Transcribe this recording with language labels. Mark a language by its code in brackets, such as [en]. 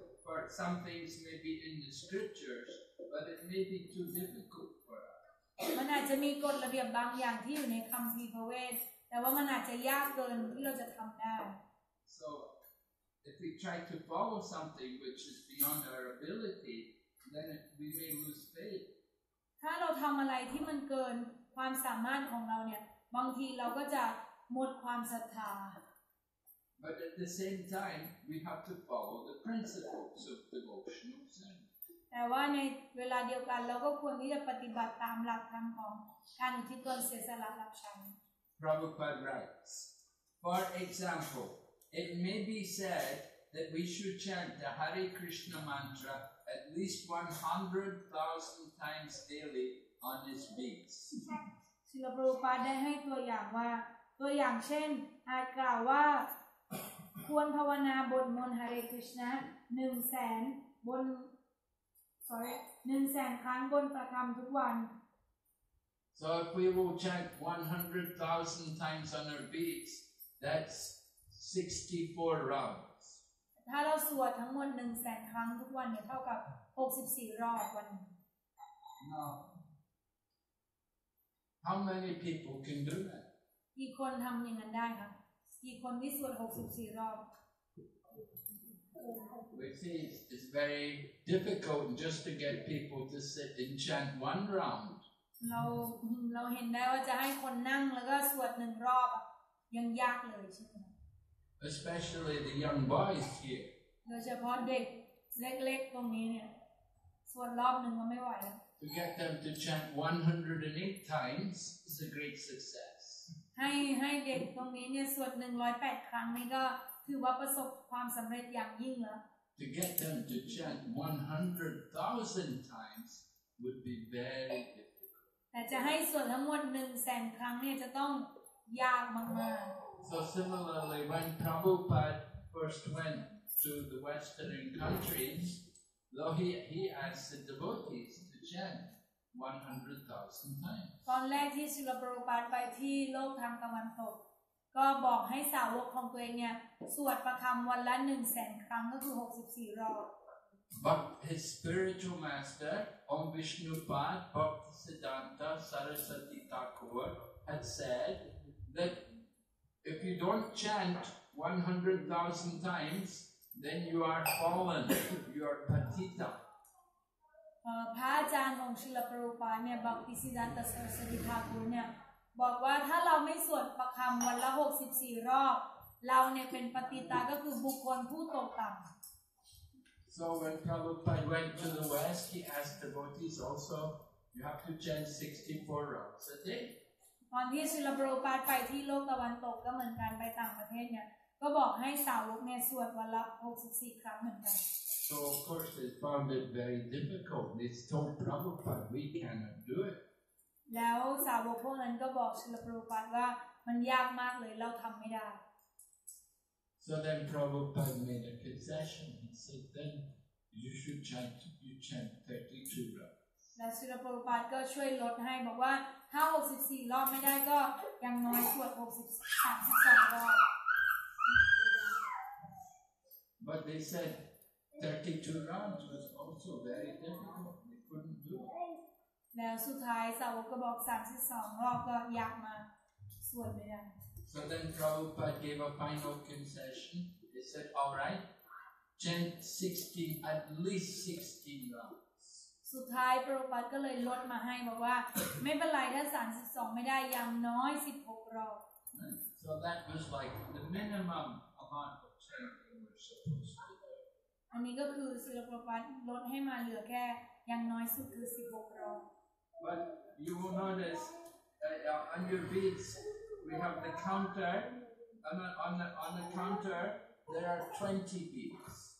[en] For some things may be in the scriptures, but it may be too difficult for us. [th] มันอาจจะมีกฎระเบียบบางอย่างที่อยู่ในคัมภีร์พระเวทแต่ว่ามันอาจจะยากเกินที่เราจะทำได้ [en] So, if we try to follow something which is beyond our ability, then we may lose faith. [th] ถ้าเราทำอะไรที่มันเกินความสามารถของเราเนี่ยบางทีเราก็จะหมดความศรัทธา [en] But at the same time, we have to follow the principles of devotional service. [th] แต่ว่าในเวลาเดียวกันเราก็ควรที่จะปฏิบัติตามหลักธรรมของการที่ควรเสียสละรับใช้ [en] Prabhupada writes, For example, it may be said that we should chant the Hare Krishna mantra at least 100,000 times daily on its beats. [th] ศิลปรูปาได้ให้ตัวอย่างว่าตัวอย่างเช่นอาจกล่าวว่าควรภาวนาบทมนต์ Hare Krishna 100,000 บน [en] sorry [th] 100,000 ครั้งบนประคำทุกวัน [en] So if we will chant 100,000 times on our beats that's 64 rounds [th] ถ้าเราสวดทั้งหมด 100,000 ครั้งทุกวันเนี่ยเท่ากับ64รอบวัน [en] No How many people can do that [th] กี่คนทำอย่างนั้นได้คะกี่คนที่สวด64รอบ [en] Which is it's very difficult just to get people to sit and chant one round [th] เราเห็นได้ว่าจะให้คนนั่งแล้วก็สวด1รอบยังยากเลยใช่ไหม [en] Especially the young boys here [th] โดยเฉพาะเด็กเล็กๆตรงนี้เนี่ยสวดรอบหนึ่งก็ไม่ไหวแล้ว [en] To get them to chant 108 times is a great success [th] ให้เด็กตรงนี้เนี่ยสวด108ครั้งนี่ก็ถือว่าประสบความสำเร็จอย่างยิ่งแล้ว [en] To get them to chant 100,000 times would be very difficult [th] แต่จะให้สวดทั้งหมด 100,000 ครั้งเนี่ยจะต้องยากมาก [en] ๆ So similarly when Prabhupada first went to the western countries though he asked the devotees to chant 100,000 times [th] ตอนแรกที่ศิลปรูปาไปที่โลกทางตะวันตก ก็บอกให้สาวกของตัวเองเนี่ยสวดประคำวันละ 100,000 ครั้งก็คือ64รอบ [en] But his spiritual master Om Vishnupad Bhaktisiddhanta Saraswati Thakur had said that if you don't chant 100,000 times then you are fallen you are patita [th] พระอาจารย์ของชิลปรูปาเนี่ยบักติสิดันตสรสวิทากุลเนี่ยบอกว่าถ้าเราไม่สวดประคำวันละ64รอบเราเนี่ยเป็นปฏิตาก็คือบุคคลผู้ตกต่ำ [en] So when Prabhupada went to the West he asked devotees also you have to chant 64 rounds a day [th] ตอนที่ชิลปรูปาไปที่โลกตะวันตกก็เหมือนกันไปต่างประเทศเนี่ยก็บอกให้สาวกเนี่ยสวดวันละ64ครั้งเหมือนกัน [en] So of course they found it very difficult. They told Prabhupada, "We cannot do it." [th] แล้วสาวกพวกนั้นก็บอกชิลปรูปาว่ามันยากมากเลยเราทำไม่ได้ [en] So then Prabhupada made a concession. He said, "Then you should chant. You chant 32 rounds." [th] แล้วชิลปรูปาก็ช่วยลดให้บอกว่าถ้า64รอบไม่ได้ก็อย่างน้อยสวด32รอบ [en] But they said. 32 rounds was also very difficult. They couldn't do it. [th] แล้วสุดท้ายสาวกก็บอก32รอบก็ยากมาสวดไม่ได้ [en] So then Prabhupada gave a final concession. He said, "All right, chant 16 at least 16 rounds." [th] สุดท้ายพระองค์ก็เลยลดมาให้บอกว่าไม่เป็นไรถ้า32ไม่ได้อย่างน้อย16รอบ [en] So that was like the minimum amount of chanting we're supposed to. [th] อันนี้ก็คือศิลปวัตรลดให้มาเหลือแค่อย่างน้อยสุดคือ16รอบ [en] But you will notice that on your beads we have the counter and on the counter there are 20 beads